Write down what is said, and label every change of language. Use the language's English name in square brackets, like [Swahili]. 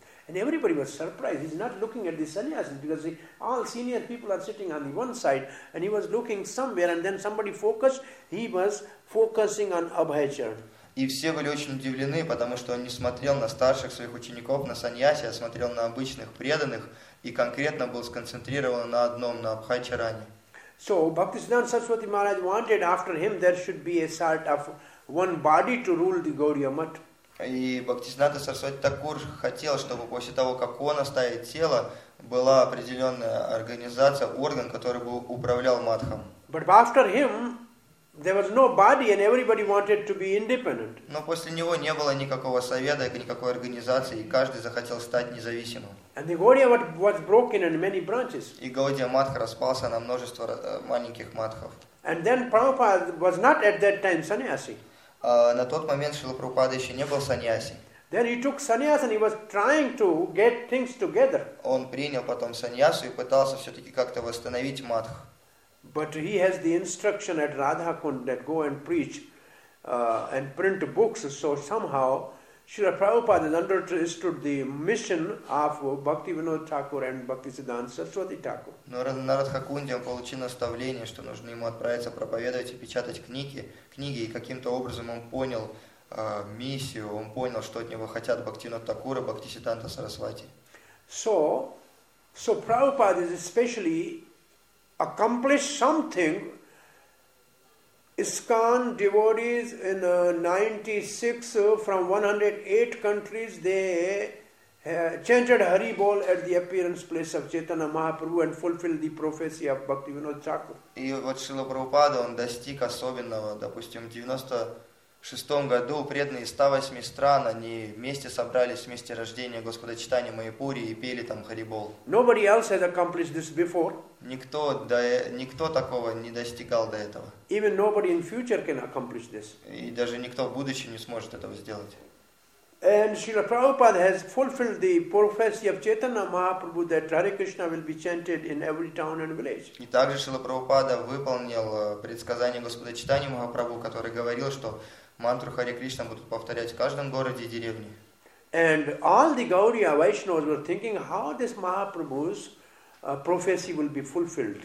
[English] And everybody was surprised. He's not looking at the sannyasis because all senior people are sitting on the one side and he was looking somewhere and then somebody focused, he was focusing on Abhayacharan. [Russian] И все были очень удивлены, потому что он не смотрел на старших своих учеников, на саньяси, а смотрел на обычных преданных и конкретно был сконцентрирован на одном, на Абхайчаране. [English] So Bhaktisiddhanta Saraswati Maharaj wanted after him there should be a sort of one body to rule the Gaudiya Math. [Russian] И Бхактисиддханта Сарасвати Такур хотел, чтобы после того, как он оставит тело, была определенная организация, орган, который бы управлял матхом. [English] But after him there was no body and everybody wanted to be independent. [Russian] Но после него не было никакого совета, никакой организации, и каждый захотел стать независимым. [English] And the Gaudiya Math was broken in many branches. [Russian] И Gaudiya Math распался на множество маленьких матхов. [English] And then Prabhupada was not at that time sannyasi. [Russian] На тот момент Шрила Прабхупада еще не был саньяси. [English] Then he took sannyas and he was trying to get things together. [Russian] Он принял потом саньясу и пытался все-таки как-то восстановить матх. [English] But he has the instruction at Radhakund that go and preach and print books, so somehow Srila Prabhupada has understood the mission of Bhaktivinoda Thakur and Bhaktisiddhanta Saraswati Thakur. [Russian] Но на Радхакунде он получил наставление, что нужно ему отправиться проповедовать и печатать книги, и каким-то образом он понял миссию, он понял, что от него хотят Бхактивинода Такура, Бхактисиддханта Сарасвати. [English] So Prabhupada is especially accomplished something. ISKCON devotees in 96 from 108 countries, they chanted Hari Bol at the appearance place of Chaitanya Mahaprabhu and fulfilled the prophecy of Bhaktivinoda Thakur. [Russian] И вот Шрила Прабхупада, он достиг особенного, допустим, в 96 году преданные из 108 стран, они вместе собрались вместе рождения Господа Читания Майяпури и пели там Хари Бол. [English] Nobody else has accomplished this before. [Russian] Никто такого не достигал до этого. [English] Even nobody in future can accomplish this. [Russian] И даже никто в будущем не сможет этого сделать. [English] And Srila Prabhupada has fulfilled the prophecy of Chaitanya Mahaprabhu that Hare Krishna will be chanted in every town and village. [Russian] И также Шрила Прабхупада выполнил предсказание Господа Чайтаньи Махапрабху, который говорил, что мантру Харе Кришна будут повторять в каждом городе и деревне. [English] And all the Gauriya Vaishnavas were thinking how this Mahaprabhu's prophecy will be fulfilled.